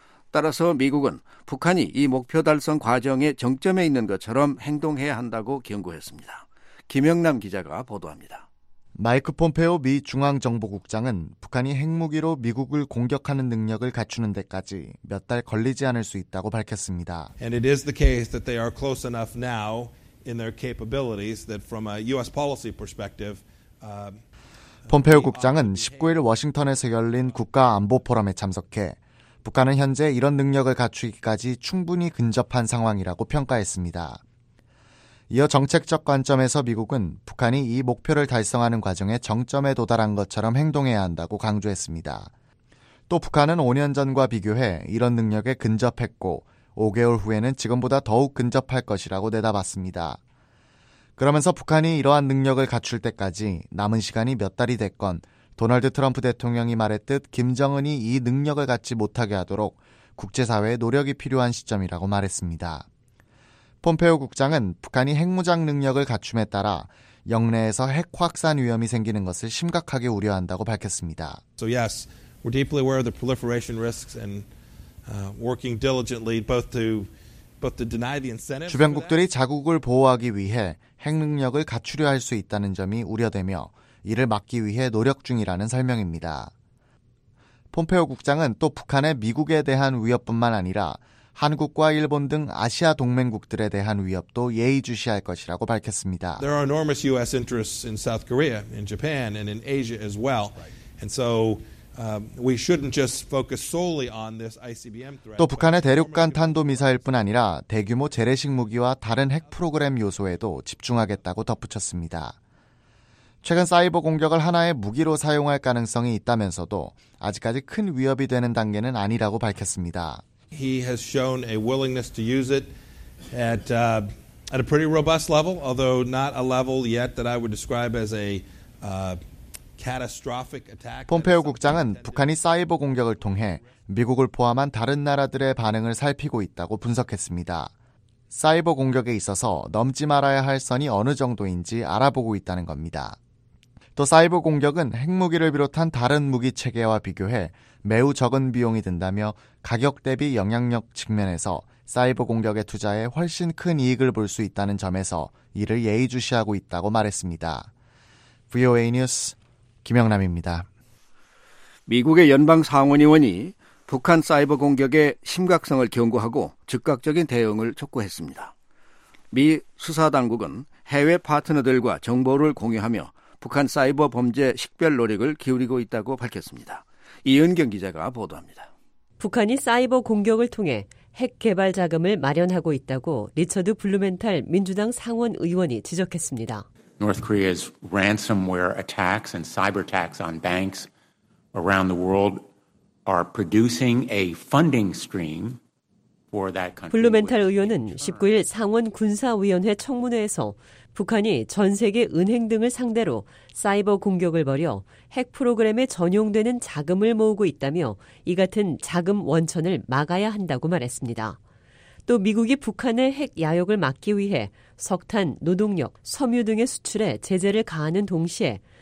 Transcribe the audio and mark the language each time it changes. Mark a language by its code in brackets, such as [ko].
[ko] 따라서 미국은 북한이 이 목표 달성 과정의 정점에 있는 것처럼 행동해야 한다고 경고했습니다. 김영남 기자가 보도합니다. 마이크 폼페오 미 중앙정보국장은 북한이 핵무기로 미국을 공격하는 능력을 갖추는 데까지 몇 달 걸리지 않을 수 있다고 밝혔습니다. [en] And it is the case that they are close enough now in their capabilities that from a U.S. policy perspective, [ko] 폼페오 국장은 19일 워싱턴에서 열린 국가안보포럼에 참석해 북한은 현재 이런 능력을 갖추기까지 충분히 근접한 상황이라고 평가했습니다. 이어 정책적 관점에서 미국은 북한이 이 목표를 달성하는 과정에 정점에 도달한 것처럼 행동해야 한다고 강조했습니다. 또 북한은 5년 전과 비교해 이런 능력에 근접했고 5개월 후에는 지금보다 더욱 근접할 것이라고 내다봤습니다. 그러면서 북한이 이러한 능력을 갖출 때까지 남은 시간이 몇 달이 됐건 도널드 트럼프 대통령이 말했듯 김정은이 이 능력을 갖지 못하게 하도록 국제사회의 노력이 필요한 시점이라고 말했습니다. 폼페오 국장은 북한이 핵무장 능력을 갖춤에 따라 영내에서 핵 확산 위험이 생기는 것을 심각하게 우려한다고 밝혔습니다. [en] So yes, we're deeply aware of the proliferation risks and working diligently both to deny the incentive. [ko] 주변국들이 자국을 보호하기 위해 핵 능력을 갖추려 할 수 있다는 점이 우려되며 이를 막기 위해 노력 중이라는 설명입니다. 폼페오 국장은 또 북한의 미국에 대한 위협뿐만 아니라 한국과 일본 등 아시아 동맹국들에 대한 위협도 예의주시할 것이라고 밝혔습니다. [en] There are enormous U.S. interests in South Korea, in Japan, and in Asia as well. And so we shouldn't just focus solely on this ICBM threat. [ko] 또 북한의 대륙간 탄도미사일뿐 아니라 대규모 재래식 무기와 다른 핵 프로그램 요소에도 집중하겠다고 덧붙였습니다. 최근 사이버 공격을 하나의 무기로 사용할 가능성이 있다면서도 아직까지 큰 위협이 되는 단계는 아니라고 밝혔습니다. [en] He has shown a willingness to use it at a pretty robust level, although not a level yet that I would describe as a catastrophic attack. [ko] 폼페오 국장은 북한이 사이버 공격을 통해 미국을 포함한 다른 나라들의 반응을 살피고 있다고 분석했습니다. 사이버 공격에 있어서 넘지 말아야 할 선이 어느 정도인지 알아보고 있다는 겁니다. 또 사이버 공격은 핵무기를 비롯한 다른 무기 체계와 비교해 매우 적은 비용이 든다며 가격 대비 영향력 측면에서 사이버 공격에 투자해 훨씬 큰 이익을 볼 수 있다는 점에서 이를 예의주시하고 있다고 말했습니다. VOA 뉴스 김영남입니다. 미국의 연방 상원의원이 북한 사이버 공격의 심각성을 경고하고 즉각적인 대응을 촉구했습니다. 미 수사당국은 해외 파트너들과 정보를 공유하며 북한 사이버 범죄 식별 노력을 기울이고 있다고 밝혔습니다. 이은경 기자가 보도합니다. 북한이 사이버 공격을 통해 핵 개발 자금을 마련하고 있다고 리처드 블루멘탈 민주당 상원 의원이 지적했습니다. [en] North Korea's ransomware attacks and cyber attacks on banks around the world are producing a funding stream for that country. [ko] 블루멘탈 의원은 19일 상원 군사위원회 청문회에서 북한이 전 세계 은행 등을 상대로 사이버 공격을 벌여 핵 프로그램에 전용되는 자금을 모으고 있다며 이 같은 자금 원천을 막아야 한다고 말했습니다. 또 미국이 북한의 핵 야욕을 막기 위해 석탄, 노동력, 섬유 등의 수출에 제재를 가하는 동시에